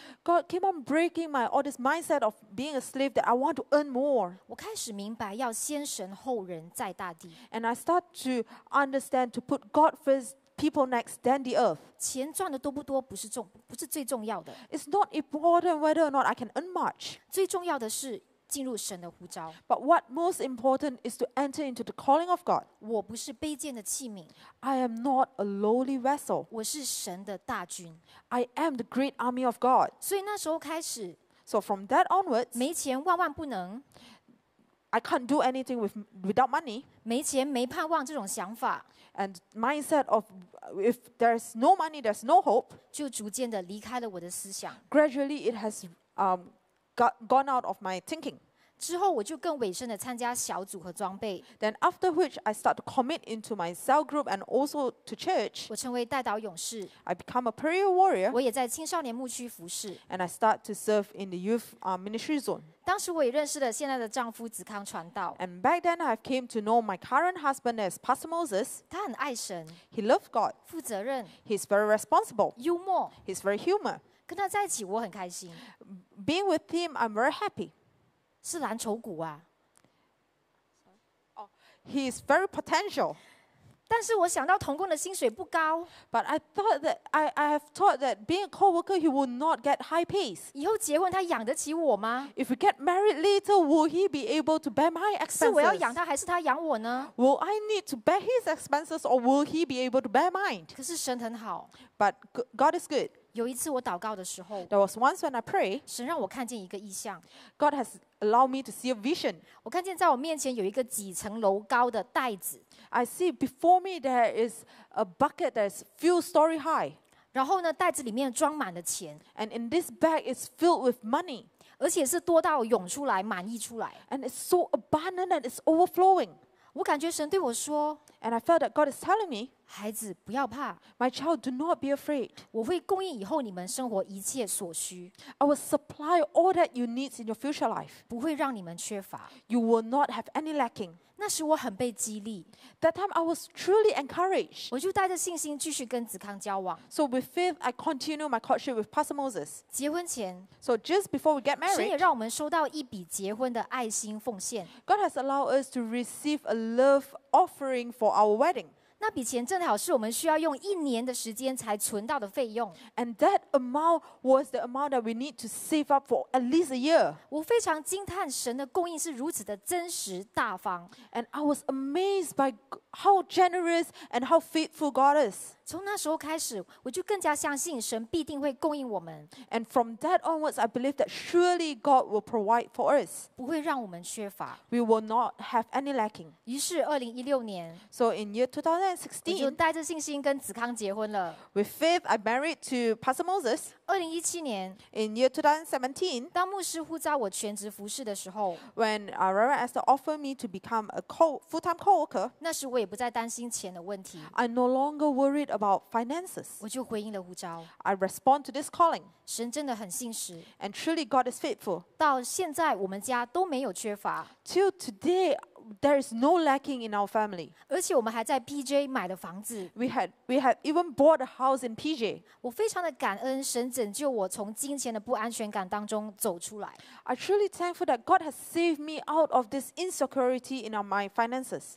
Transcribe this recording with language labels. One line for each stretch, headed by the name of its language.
English: God came on breaking my all this mindset of being a slave that I want to earn more
Chinese: 我开始明白要先神后人再大地
English: And I start to understand to put God firstPeople next, then the earth.
Chinese: 钱赚的多不多不是最重要的。
English: It's not important whether or not I can earn much.
Chinese: 最重要的是进入神的呼召。
English: But what most important is to enter into the calling of God.
Chinese: 我不是卑贱的器皿。
English: I am not a lowly vessel.
Chinese: 我是神的大军。
English: I am the great army of God.
Chinese: 所以那时候开始。
English: So from that onwards.
Chinese: 没钱万万不能。
English: I can't do anything without money.
Chinese: 没钱没盼望这种想法。
English: And mindset of if there's no money, there's no hope.
Chinese: 就逐渐的离开了我的思想。
English: Gradually, it has gone out of my thinking.
Chinese: 之后我就更委身的参加小组和装备。
English: Then after which, I start to commit into my cell group and also to church.
Chinese: 我成为代祷勇士。
English: I become a prayer warrior.
Chinese: 我也在青少年牧区服事。
English: And I start to serve in the youth ministry zone.
Chinese: 当时我也认识了现在的丈夫子康传道。
English: And back then I came to know my current husband as Pastor Moses.
Chinese: 他很爱神。
English: He loved God.
Chinese: 负责任。
English: He's very responsible.
Chinese: 幽默。
English: He's very humor.
Chinese: 跟他在一起我很开心。
English: Being with him, I'm very happy.
Chinese: 是蓝筹股啊。
English: Oh, he's very potential.
Chinese: 但是我想到同工的薪水不高。
English: But I thought that I have thought that being a co-worker he will not get high pays.
Chinese: 以后结婚他养得起我吗
English: ？If we get married later, will he be able to bear my expenses?
Chinese: 是我要养他还是他养我呢
English: ？Will I need to bear his expenses or will he be able to bear mine?
Chinese: 可是神很好。
English: But God is good.
Chinese: 有一次我祷告的时候
English: ，There was once when I pray.
Chinese: 神让我看见一个异象。
English: God has allowed me to see a vision.
Chinese: 我看见在我面前有一个几层楼高的袋子。
English: I see before me there is a bucket that is few story high.
Chinese: 然后呢，袋子里面装满了钱。
English: And in this bag is filled with money.
Chinese: 而且是多到涌出来，满溢出来。
English: And it's so abundant and it's overflowing.
Chinese: 我感觉神对我说。
English: And I felt that God is telling me.
Chinese: 孩子不要怕。
English: My child, do not be afraid.
Chinese: 我会供应以后你们生活一切所需。
English: I will supply all that you need in your future life.
Chinese: 不会让你们缺乏。
English: You will not have any lacking.
Chinese: 那时我很被激励。
English: That time I was truly encouraged.
Chinese: 我就带着信心继续跟子康交往。
English: So with faith, I continue my courtship with Pastor Moses.
Chinese: 结婚前。
English: So just before we get married.
Chinese: 神也让我们收到一笔结婚的爱心奉献。
English: God has allowed us to receive a love offering for our wedding.
Chinese: 那笔钱正好是我们需要用一年的时间才存到的费用。
English: And that amount was the amount that we need to save up for at least a year.
Chinese: 我非常惊叹神的供应是如此的真实大方。
English: And I was amazed by how generous and how faithful God is.
Chinese: 从那时候开始，我就更加相信神必定会供应我们。
English: And from that onwards, I believe that surely God will provide for us.
Chinese: 不会让我们缺乏。
English: We will not have any lacking.
Chinese: 于是2016年。
English: So in year 2016, 2016,
Chinese: 我就带着信心跟子康结婚了。
English: With faith, I married to Pastor Moses.
Chinese: 2017年
English: ，in year 2017,
Chinese: 当牧师呼召我全职服事的时候
English: ，when Reverend Esther offered me to become a full-time co-worker,
Chinese: 那时我也不再担心钱的问题。
English: I no longer worried about finances.
Chinese: 我就回应了呼召。
English: I respond to this calling.
Chinese: 神真的很信实。
English: And truly, God is faithful.
Chinese: 到现在，我们家都没有缺乏。
English: Till today. There is no lacking in our family.
Chinese: 而且我们还在 PJ 买了房子。
English: We had even bought a house in PJ.
Chinese: 我非常的感恩神拯救我从金钱的不安全感当中走出来。
English: I truly thankful that God has saved me out of this insecurity in my finances.